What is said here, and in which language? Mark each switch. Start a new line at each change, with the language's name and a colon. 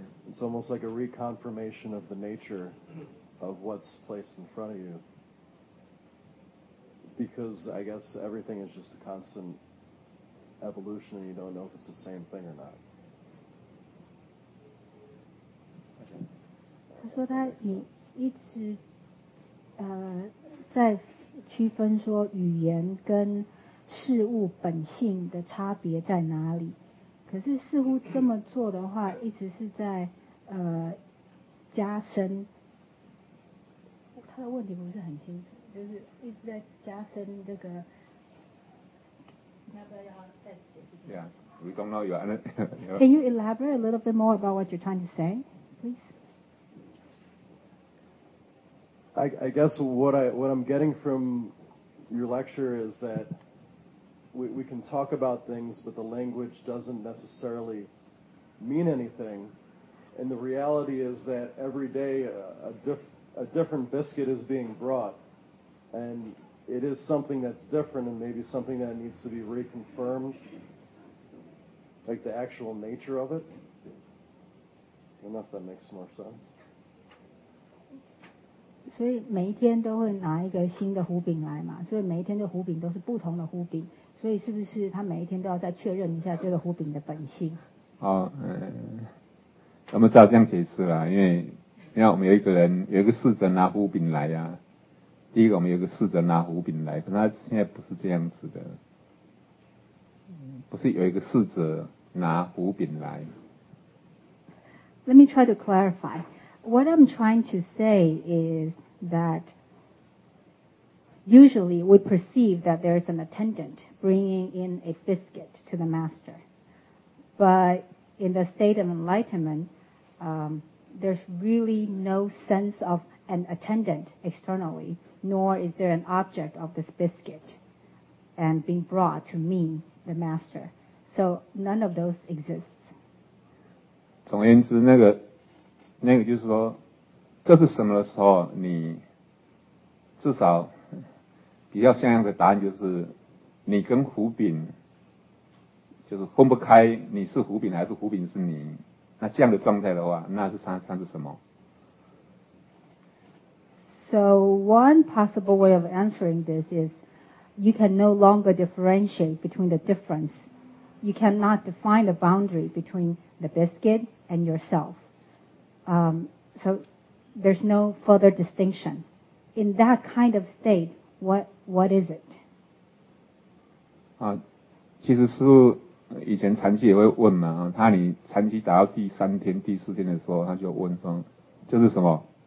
English: It's almost like a reconfirmation of the nature of what's placed in front of you. Because I guess everything is just a constant evolution and you don't know if it's the same thing or not.
Chinese: 他说他一直在区分说语言跟事物本性的差别在哪里，可是似乎这么做的话一直是在加深，他的问题不是很清楚，就是一直在加深这个，要不要让他再解释一下？
English: Yeah, we don't know you. Can you elaborate a little bit more about what you're trying to say, please? I guess what I'm getting from your lecture is thatWe can talk about things, but the language doesn't necessarily mean anything. And the reality is that every day a different biscuit is being brought. And it is something that's different and maybe something that needs to be reconfirmed, like the actual nature of it. I don't know if that makes more sense. So every day, they would bring a new biscuit. So every day, the biscuits are different biscuits.
Chinese: 所以是不是他每一天都要再确认一下这个胡饼的本性？好，我们只好这样解释啦，因为你看我们有一个人有一个侍者拿胡饼来啊，第一个我们有一个侍者拿胡饼来，可是他现在不是这样子的，不是有一个侍者拿胡饼来。
English: Let me try to clarify. What I'm trying to say is that. Usually, we perceive that there is an attendant bringing in a biscuit to the master. But in the state of enlightenment, there's really no sense of an attendant externally, nor is there an object of this biscuit and being brought to me, the master. So none of those exists.
Chinese: 总而言之，那个就是说，这是什么的时候，你至少比较像样的答案就是你跟胡饼就是分不开，你是胡饼还是胡饼是你，那这样的状态的话那是算是什么。
English: So one possible way of answering this is you can no longer differentiate between the difference. You cannot define the boundary between the biscuit and yourself. So there's no further distinction. In that kind of state, what is it?
Chinese: 其实师父以前禅期也会问嘛，他你禅期达到第三天、第四天的时候，他就问说，这是什么？